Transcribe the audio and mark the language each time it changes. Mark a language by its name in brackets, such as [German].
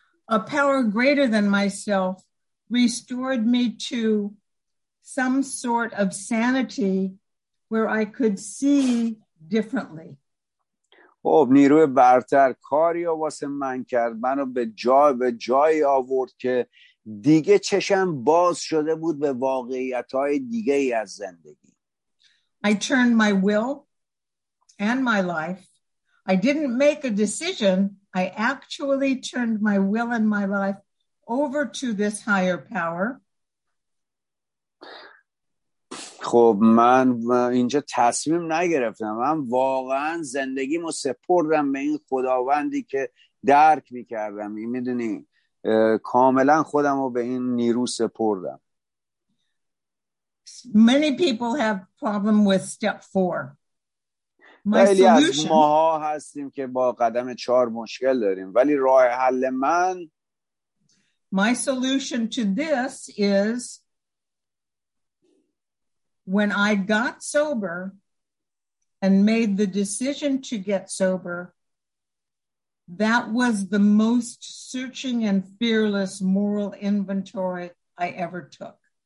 [English] A power greater than myself restored me to some sort of sanity where I could see differently. [Persian] خب نیروی برتر کاری رو واسه من کرد، منو به جای آورد که دیگه چشم باز شده بود به واقعیت‌های دیگه ای از زندگی. [English] I turned my will and my life. I didn't make a decision. I actually turned my will and my life over to this higher power. [Persian] خب من اینجا تصمیم نگرفتم، من واقعا زندگیمو سپردم به این خداوندی که درک میکردم، میدونی کاملا خودمو به این نیرو سپردم. [English] Many people have problem with step 4. [Persian] خیلی از ماها هستیم که با قدم 4 مشکل داریم، ولی راه حل من، [English] my solution to this is when I got sober and made the decision to get sober, that was the most searching and fearless moral inventory I ever took.